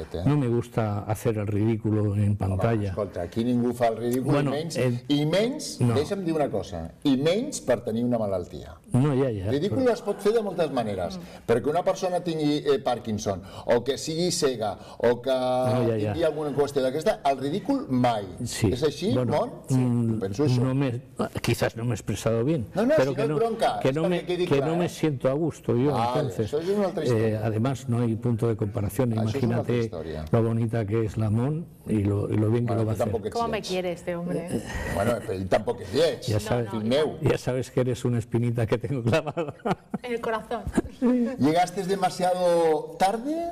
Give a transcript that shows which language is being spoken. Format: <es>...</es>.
<es>no me gusta hacer el ridículo en pantalla.</es> <ca>Home, escolta, aquí ningú fa el ridículo, bueno, i menys, deixa'm dir una cosa, i menys per tenir una malaltia. No, ja. Ridícul es pot fer de moltes maneres. Perquè una persona tingui Parkinson, o que sigui cega, o que tingui alguna qüestió d'aquesta, el ridícul mai. És així, Mon? Penso això. Quizás no m'he expressat bé. No, si no és bronca.</ca> <es>Que no me siento a gusto yo, entonces.</es> <ca>Això és una altra història.</ca> <es>Además, no hay punto de comparación. Imagínate lo bonita que es la Mon y lo bien que lo va a hacer. ¿Cómo me quiere este hombre? Bueno, pero él tampoco es yo. Ya sabes que eres una espinita que tengo clavada. En el corazón. ¿Llegaste demasiado tarde?</es>